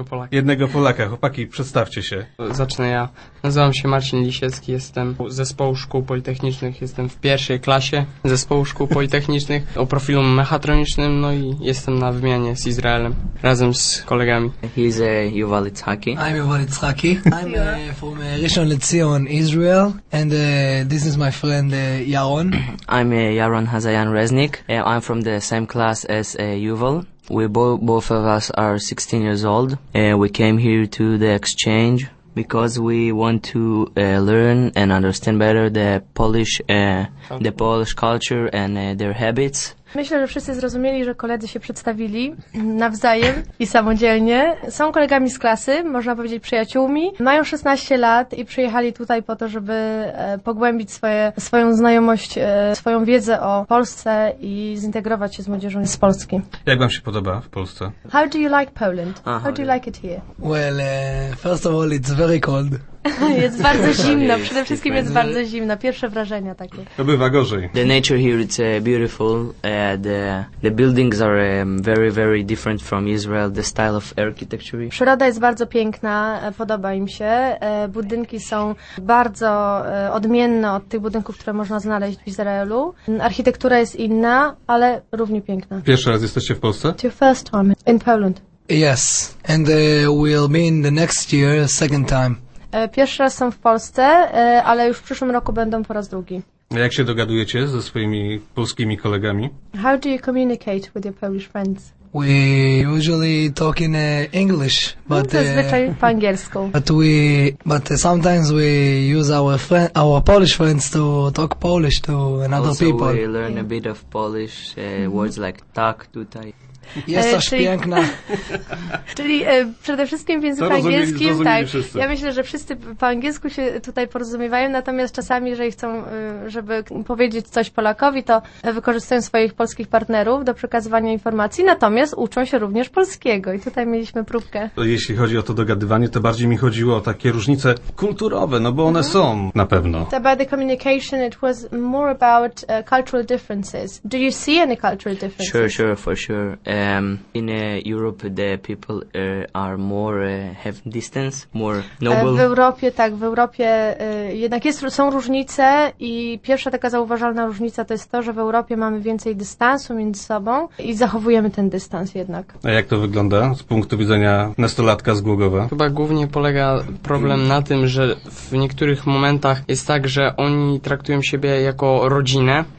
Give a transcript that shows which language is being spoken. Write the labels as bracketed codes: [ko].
[pl] jednego Polaka. Chłopaki, przedstawcie się. Zacznę ja. Nazywam się Marcin Lisiecki, jestem z Zespołu Szkół Politechnicznych, jestem w pierwszej klasie Zespołu Szkół Politechnicznych o profilu mechatronicznym, no i jestem na wymianie z Izraelem, razem z kolegami. [en] He's Yuval Itzhaki. I'm Yuval Itzhaki. I'm from Rishon LeZion, Israel. And this is my friend Yaron. I'm Yaron Hazayan Resnik. I'm from the same class as Yuval. We both of us are 16 years old. We came here to the exchange because we want to learn and understand better the Polish culture and their habits. [pl] Myślę, że wszyscy zrozumieli, że koledzy się przedstawili nawzajem i samodzielnie. Są kolegami z klasy, można powiedzieć przyjaciółmi. Mają 16 lat i przyjechali tutaj po to, żeby pogłębić swoją znajomość, swoją wiedzę o Polsce i zintegrować się z młodzieżą z Polski. Jak wam się podoba w Polsce? [en] How do you like Poland? How do you like it here? Well, first of all, it's very cold. [pl] Jest bardzo zimno, przede wszystkim jest bardzo zimno. Pierwsze wrażenia takie. To bywa gorzej. [en] The nature here is beautiful. The buildings are very, very different from Israel. The style of architecture. [pl] Przyroda jest bardzo piękna, podoba im się. Budynki są bardzo odmienne od tych budynków, które można znaleźć w Izraelu. Architektura jest inna, ale równie piękna. Pierwszy raz jesteście w Polsce? [en] It's your first time in Poland. Yes, and we'll be in the next year, second time. [pl] Pierwszy raz są w Polsce, ale już w przyszłym roku będą po raz drugi. Jak się dogadujecie ze swoimi polskimi kolegami? [en] How do you communicate with your Polish friends? We usually talk in English, but [pl] zazwyczaj po angielsku. [en] Sometimes we use our Polish friends to talk Polish to another also people. Also, we learn a bit of Polish words like [pl] tak tutaj. Jesteś piękna. Czyli przede wszystkim w języku angielskim, tak. Wszyscy. Ja myślę, że wszyscy po angielsku się tutaj porozumiewają, natomiast czasami, jeżeli chcą, żeby powiedzieć coś Polakowi, to wykorzystują swoich polskich partnerów do przekazywania informacji, natomiast uczą się również polskiego. I tutaj mieliśmy próbkę. Jeśli chodzi o to dogadywanie, to bardziej mi chodziło o takie różnice kulturowe, no bo one są na pewno. [en] About the communication, it was more about cultural differences. Do you see any cultural differences? Sure, for sure. In Europe the people are more have distance, more noble. [pl] W Europie jednak są różnice i pierwsza taka zauważalna różnica to jest to, że w Europie mamy więcej dystansu między sobą i zachowujemy ten dystans jednak. A jak to wygląda z punktu widzenia nastolatka z Głogowa? Chyba głównie polega problem na tym, że w niektórych momentach jest tak, że oni traktują siebie jako rodzinę.